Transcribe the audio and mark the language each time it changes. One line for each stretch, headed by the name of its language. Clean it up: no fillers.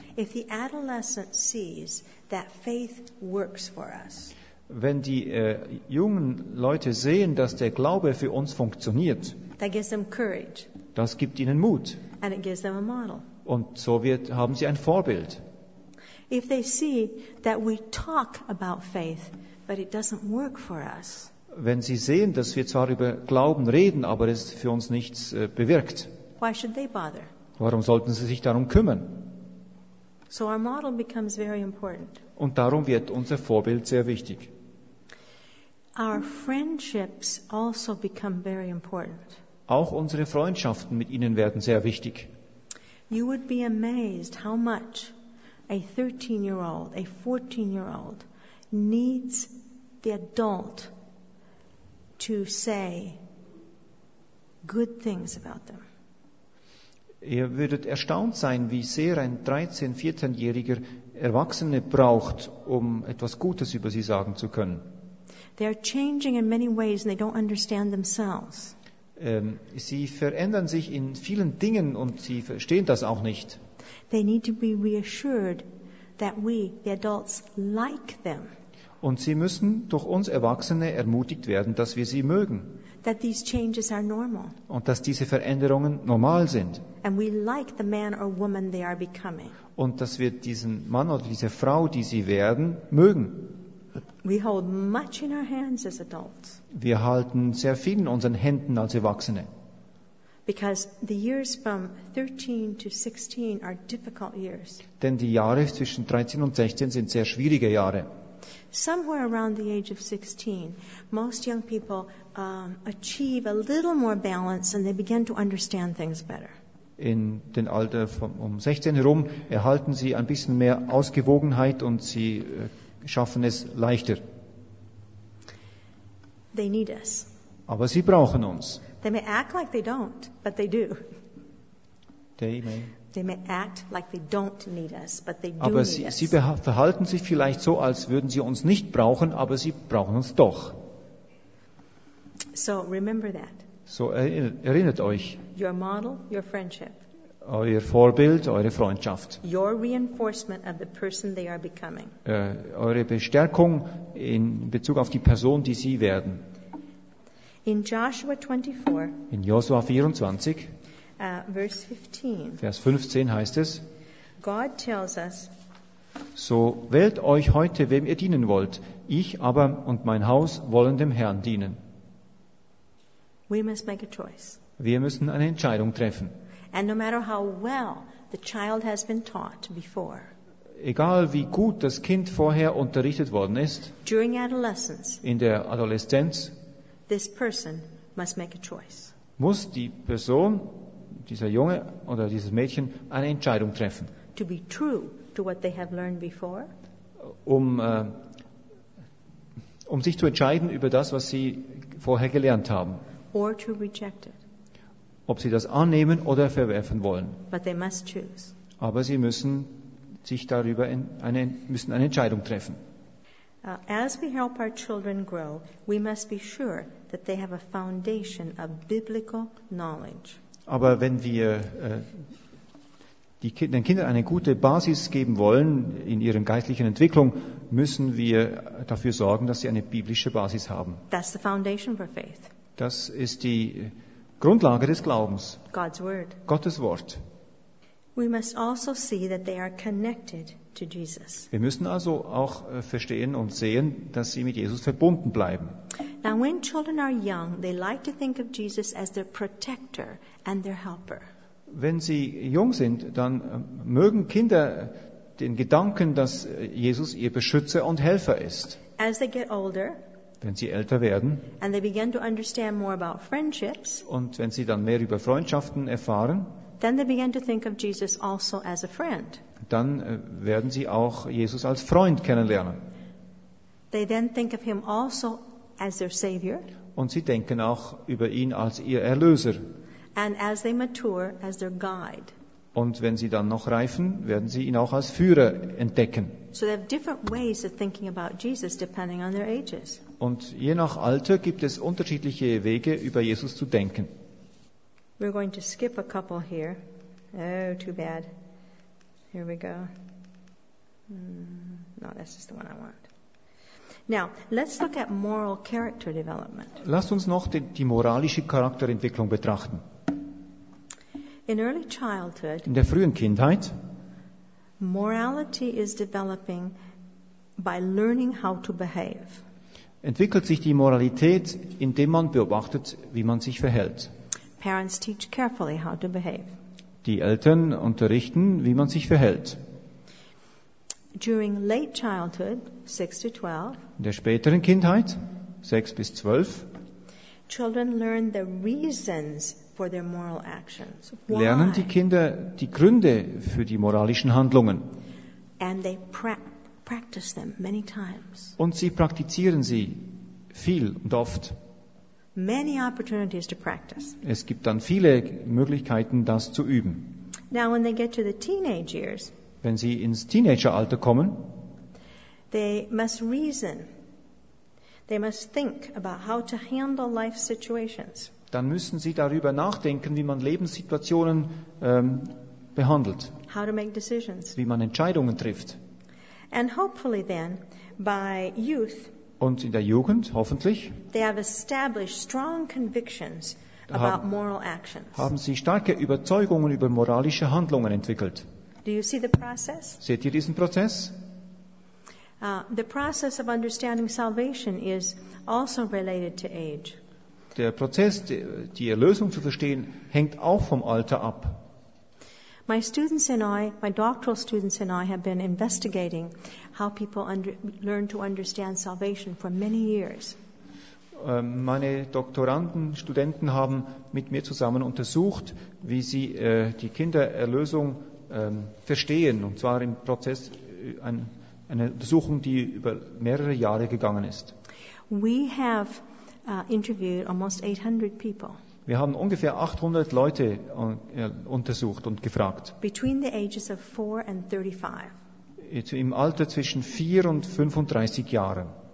English: If the adolescent sees that faith works for us.
German: Wenn die jungen Leute sehen, dass der Glaube für uns funktioniert,
English: that gives them courage.
German: Das gibt ihnen Mut.
English: And it gives them a model.
German: Und so wird, haben sie ein Vorbild.
English: If they see that we talk about faith, but it doesn't work for us.
German: Wenn sie sehen, dass wir zwar über Glauben reden, aber es für uns nichts bewirkt.
English: Why should they bother?
German: Warum sollten sie sich darum kümmern?
English: So our model becomes very important.
German: Und darum wird unser Vorbild sehr wichtig.
English: Our friendships also become very important.
German: Auch unsere Freundschaften mit ihnen werden sehr wichtig.
English: You would be amazed how much a 13-year-old, a 14-year-old needs the adult to say good things about them.
German: Ihr würdet erstaunt sein, wie sehr ein 13-, 14-jähriger Erwachsene braucht, um etwas Gutes über sie sagen zu können.
English: They are changing in many ways and they don't understand themselves.
German: Sie verändern sich in vielen Dingen und sie verstehen das auch nicht.
English: They need to be reassured that we, the adults, like them.
German: Und sie müssen durch uns Erwachsene ermutigt werden, dass wir sie mögen.
English: That these changes are normal.
German: Und dass diese Veränderungen normal sind.
English: And we like the man or woman they are becoming.
German: Und dass wir diesen Mann oder diese Frau, die sie werden, mögen.
English: We hold much in our hands as adults.
German: Wir halten sehr viel in unseren Händen als Erwachsene.
English: Because the years from 13 to 16 are difficult years.
German: Denn die Jahre zwischen 13 und 16 sind sehr schwierige Jahre.
English: Somewhere around the age of 16, most young people achieve a little more balance and they begin to understand things better.
German: In den Alter von 16 herum erhalten sie ein bisschen mehr Ausgewogenheit und sie schaffen es leichter.
English: They need us.
German: Aber sie brauchen uns.
English: They may act like they don't, but they do. They may act like they don't need us, but they do.
German: Aber sie verhalten sich vielleicht so, als würden sie uns nicht brauchen, aber sie brauchen uns doch.
English: So remember that.
German: So erinnert euch.
English: Your model, your friendship.
German: Euer Vorbild, eure Freundschaft.
English: Your reinforcement of the person they are becoming.
German: Eure Bestärkung in Bezug auf die Person, die sie werden.
English: In Joshua 24.
German: In Joshua 24.
English: Verse 15.
German: Vers 15 heißt es.
English: God tells us.
German: So wählt euch heute, wem ihr dienen wollt. Ich aber und mein Haus wollen dem Herrn dienen.
English: We must make a choice.
German: Wir müssen eine Entscheidung treffen.
English: And no matter how well the child has been taught before.
German: Egal wie gut das Kind vorher unterrichtet worden ist.
English: During adolescence.
German: In der Adoleszenz.
English: This person must make a choice.
German: Muss die Person, dieser Junge oder dieses Mädchen, eine Entscheidung treffen.
English: To be true to what they have learned before.
German: Um sich zu entscheiden über das, was sie vorher gelernt haben.
English: Or to reject it.
German: Ob sie das annehmen oder verwerfen wollen.
English: But they must choose.
German: Aber sie müssen sich darüber müssen eine Entscheidung treffen.
English: As we help our children grow, we must be sure that they have a foundation of biblical knowledge.
German: Aber wenn wir den Kindern eine gute Basis geben wollen in ihrer geistlichen Entwicklung, müssen wir dafür sorgen, dass sie eine biblische Basis haben.
English: That's the foundation for faith.
German: Das ist die Grundlage des Glaubens.
English: God's word.
German: Gottes Wort.
English: We must also see that they are connected to Jesus.
German: Wir müssen also auch verstehen und sehen, dass sie mit Jesus verbunden bleiben.
English: Now, when children are young, they like to think of Jesus as their protector and their helper.
German: Wenn sie jung sind, dann mögen Kinder den Gedanken, dass Jesus ihr Beschützer und Helfer ist.
English: As they get older,
German: wenn sie älter werden,
English: and they begin to understand more about friendships,
German: und wenn sie dann mehr über Freundschaften erfahren,
English: then they begin to think of Jesus also as a friend.
German: Dann werden sie auch Jesus als Freund kennenlernen.
English: They then think of him also as their savior.
German: Und sie denken auch über ihn als ihr Erlöser.
English: And as they mature, as their guide.
German: Und wenn sie dann noch reifen, werden sie ihn auch als Führer entdecken.
English: So they have different ways of thinking about Jesus depending on their ages.
German: Und je nach Alter gibt es unterschiedliche Wege, über Jesus zu denken.
English: We're going to skip a couple here. Oh, too bad. Here we go. No, this is the one I want. Now, let's look at moral character development.
German: Lasst uns noch die moralische Charakterentwicklung betrachten.
English: In early childhood,
German: in der frühen Kindheit,
English: morality is developing by learning how to behave.
German: Entwickelt sich die Moralität, indem man beobachtet, wie man sich verhält.
English: Parents teach carefully how to behave.
German: Die Eltern unterrichten, wie man sich verhält.
English: During late childhood, 6 to 12,
German: in der späteren Kindheit, 6 bis 12,
English: children learn the reasons for their moral actions. Why?
German: Lernen die Kinder die Gründe für die moralischen Handlungen.
English: And they practice them many times.
German: Und sie praktizieren sie viel und oft.
English: Many opportunities to practice.
German: Es gibt dann viele Möglichkeiten, das zu üben.
English: Now, when they get to the teenage years,
German: wenn sie ins Teenageralter kommen,
English: they must reason. They must think about how to handle life situations.
German: Dann müssen sie darüber nachdenken, wie man Lebenssituationen behandelt.
English: How to make decisions.
German: Wie man Entscheidungen trifft.
English: And hopefully then, by youth,
German: und in der Jugend, hoffentlich,
English: they have established strong convictions about moral actions.
German: Haben sie starke Überzeugungen über moralische Handlungen entwickelt.
English: Do you see the process?
German: Seht ihr diesen Prozess?
English: The process of understanding salvation is also related to age.
German: Der Prozess, die Erlösung zu verstehen, hängt auch vom Alter ab.
English: My students and I, my doctoral students and I, have been investigating how people learn to understand salvation for many years.
German: Meine Doktoranden, Studenten haben mit mir zusammen untersucht, wie sie die Kindererlösung verstehen, und zwar im Prozess eine Untersuchung, die über mehrere Jahre gegangen ist.
English: We have interviewed almost 800 people.
German: Wir haben ungefähr 800 Leute untersucht und gefragt.
English: Between the ages of 4 and 35.
German: Im Alter zwischen 4 und 35 Jahren.